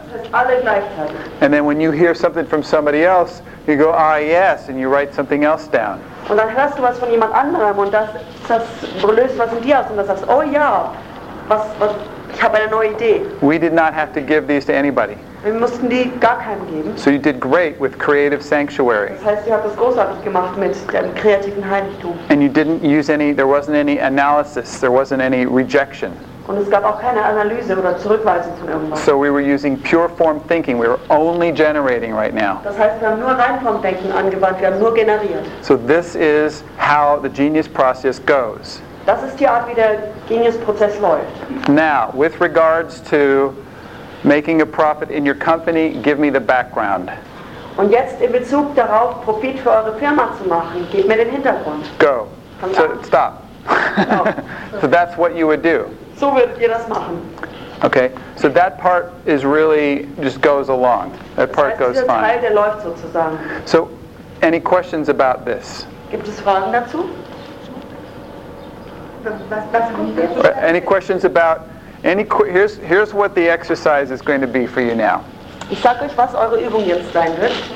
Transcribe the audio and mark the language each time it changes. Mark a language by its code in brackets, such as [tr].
[en] And then when you hear something from somebody else, you go, ah yes, and you write something else down. [de] Und dann hörst du was von jemand anderem und das löst was in dir aus und dann sagst, oh ja, was ich habe eine neue Idee. [en] We did not have to give these to anybody. [de] Wir mussten die gar keinem geben. [en] So you did great with Creative Sanctuary. [de] Das heißt, ihr habt das großartig gemacht mit dem kreativen Heiligtum. [en] And you didn't use any, there wasn't any analysis, there wasn't any rejection. [de] Und es gab auch keine Analyse oder Zurückweisung von irgendwas. [en] So we were using pure form thinking. We were only generating right now. [de] Das heißt, wir haben nur Reinformdenken angewandt. Wir haben nur generiert. [en] So this is how the genius process goes. [de] Das ist die Art, wie der Genius-Prozess läuft. [en] Now, with regards to making a profit in your company, give me the background. [de] Und jetzt in Bezug darauf, Profit für eure Firma zu machen, gebt mir den Hintergrund. [en] Go. So, stop. So that's what you would do. [de] So würdet ihr das machen. [en] Okay, so that part is really just goes along. That part goes fine. [de] Teil, der läuft sozusagen. [en] So, any questions about this? [de] Gibt es Fragen dazu? [en] Any questions about any? Here's what the exercise is going to be for you now. [de] Ich sag euch, was eure Übung jetzt sein wird.